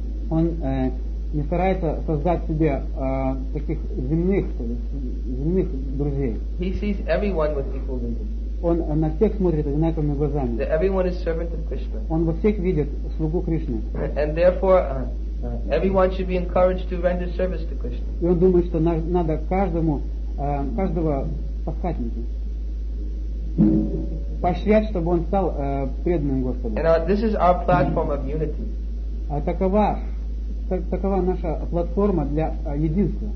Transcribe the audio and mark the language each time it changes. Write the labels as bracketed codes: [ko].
[ru] Он не старается создать себе таких земных друзей. [en] He sees everyone with equal vision. [ru] Он на всех смотрит одинаковыми глазами. [en] That everyone is servant of Krishna. [ru] Он во всех видит слугу Кришны. [en] And therefore, everyone should be encouraged to render service to Krishna. [ru] И он думает, что надо каждого подхватить. Поощрять, чтобы он стал преданным Господу. [en] And this is our platform of unity. [ru] Такова наша платформа для единства.